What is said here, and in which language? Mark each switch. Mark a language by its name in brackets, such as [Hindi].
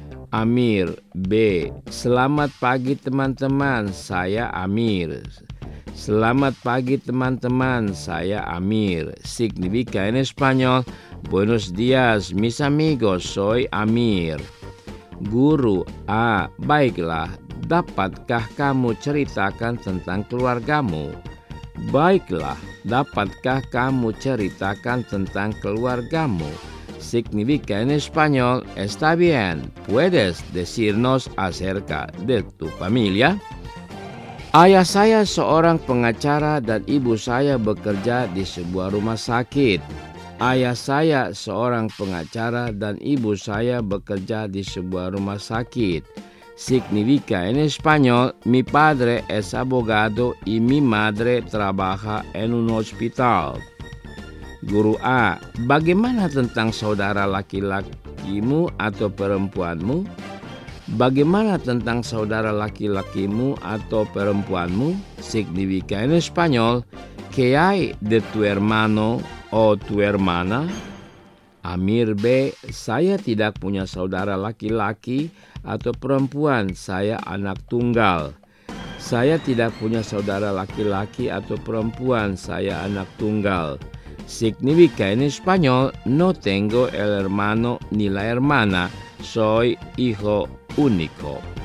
[Indonesian] Amir B. Selamat pagi teman-teman, saya Amir. Selamat pagi teman-teman, saya Amir. [Spanish] Significa en español, buenos días mis amigos, soy Amir. [Indonesian] Guru A. Baiklah, dapatkah kamu ceritakan tentang keluargamu? Baiklah, dapatkah kamu ceritakan tentang keluargamu? [Spanish] Significa en español, está bien, puedes decirnos acerca de tu familia? [Indonesian] Ayah saya seorang pengacara dan ibu saya bekerja di sebuah rumah sakit. Ayah saya seorang pengacara dan ibu saya bekerja di sebuah rumah sakit. [Spanish] Significa en español, mi padre es abogado y mi madre trabaja en un hospital. [Indonesian] Guru A, bagaimana tentang saudara laki-lakimu atau perempuanmu? Bagaimana tentang saudara laki-lakimu atau perempuanmu? [Spanish] Significa en español, ¿qué hay de tu hermano o tu hermana? [Indonesian] Amir B, saya tidak punya saudara laki-laki atau perempuan, saya anak tunggal. Saya tidak punya saudara laki-laki atau perempuan, saya anak tunggal. [Spanish] Significa en español, no tengo el hermano ni la hermana, soy hijo único.